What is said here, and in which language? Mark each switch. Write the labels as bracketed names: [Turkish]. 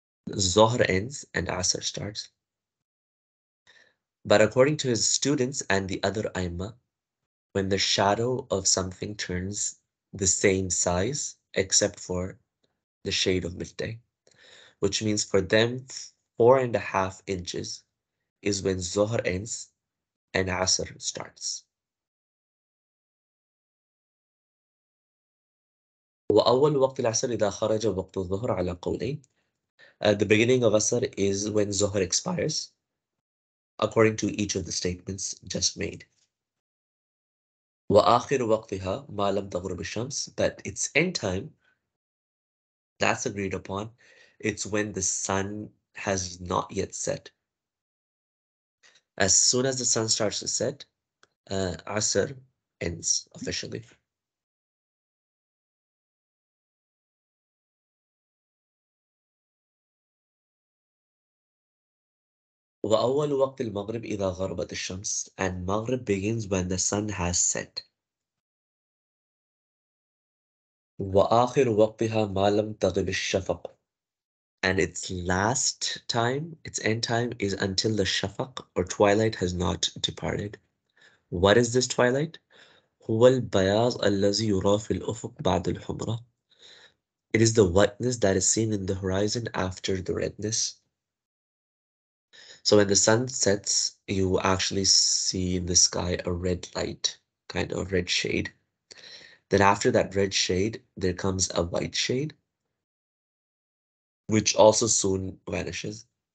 [English] Zohr ends and Asr starts. But according to his students and the other Aimmah, when the shadow of something turns the same size, except for the shade of midday, which means for them, 4.5 inches is when Zohr ends and Asr starts. [Arabic] وأول وقت العصر إذا خرج وقت الظهر على قولين. [English] The beginning of Asr is when Zohr expires, according to each of the statements just made. [Arabic] وآخر وقتها ما لم تغرب الشمس, [English] but it's end time. That's agreed upon. It's when the sun has not yet set. As soon as the sun starts to set, Asr ends officially. [Arabic] وأول وقت المغرب إذا غربت الشمس, [English] and Maghrib begins when the sun has set. [Arabic] وآخر وقتها ما لم تغب الشفق, [English] and its last time, its end time is until the shafaq or twilight has not departed. What is this twilight? [Arabic] هو البياض الذي يرى في الأفق بعد الحمرة. [English] It is the whiteness that is seen in the horizon after the redness. So when the sun sets, you actually see in the sky a red light, kind of red shade. Then after that red shade, there comes a white shade, which also soon vanishes.